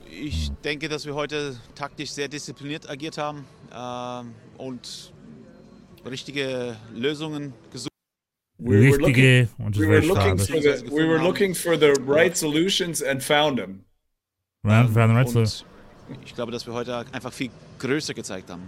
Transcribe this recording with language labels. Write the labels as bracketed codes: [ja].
[de] Ich denke, dass wir heute taktisch sehr diszipliniert agiert haben und richtige Lösungen gesucht haben. [en] We were looking for the right solutions and found them. Found the right solutions. [de] Ich glaube, dass wir heute einfach viel größer gezeigt haben.